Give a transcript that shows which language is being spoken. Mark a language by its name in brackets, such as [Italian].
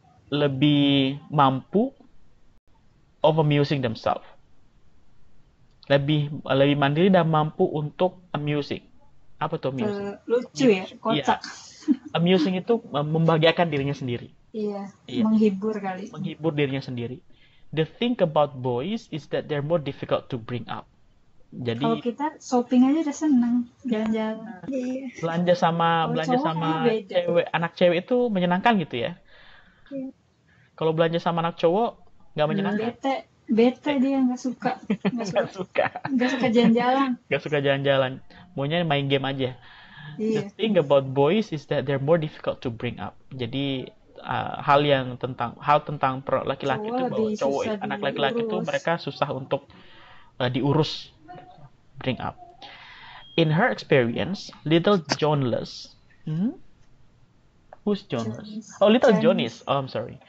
[Indonesian] lebih mampu [English] of amusing themselves. [Indonesian] Lebih mandiri dan mampu untuk amusing. Apa tuh amusing? Lucu ya, kocak. Yeah. Amusing itu membahagiakan dirinya sendiri. Iya, menghibur kali. Menghibur dirinya sendiri. [English] The thing about boys is that they're more difficult to bring up. [Indonesian] Jadi kalau kita shopping aja udah seneng, jalan-jalan. Iya. Belanja sama cewek, anak cewek itu menyenangkan gitu ya. Iya. Kalau belanja sama anak cowok enggak menyenangkan. Bete dia enggak suka. Enggak suka. Enggak suka jalan-jalan. Enggak suka jalan-jalan. Maunya main game aja. Iya. [English] The thing about boys is that they're more difficult to bring up. [Indonesian] Jadi hal tentang laki-laki itu bahwa cowok anak laki-laki itu mereka susah untuk diurus, bring up. [English] In her experience, little Jonas, who's Jonas? Oh, little Jonas. Oh, I'm sorry.